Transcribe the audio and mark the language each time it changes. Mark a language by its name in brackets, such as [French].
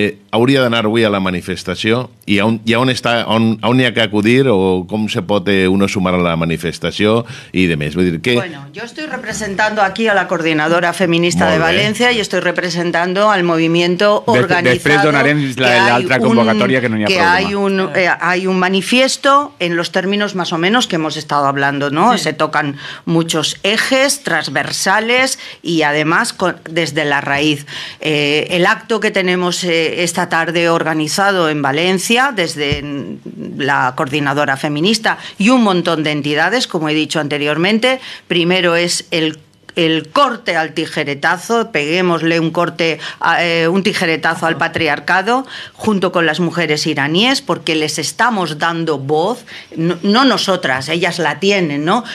[Catalan] hauria d'anar avui a la manifestació i on [Spanish] hi ha que [Catalan] acudir o com se pot uno sumar a la manifestació i de més. Vull dir que... [Spanish] Bueno, yo estoy representando aquí a la coordinadora feminista de València y estoy representando al movimiento organizado. [Catalan] Després donarem l'altra convocatòria que no hi ha problema. [Spanish] Hay un manifiesto en los términos más o menos que hemos estado hablando, ¿no? Sí. Se tocan muchos ejes transversales y además desde la raíz. El acto que tenemos esta tarde organizado en Valencia desde la Coordinadora Feminista y un montón de entidades, como he dicho anteriormente, primero es el corte al tijeretazo, peguémosle un tijeretazo al patriarcado junto con las mujeres iraníes, porque les estamos dando voz, no nosotras, ellas la tienen, ¿no?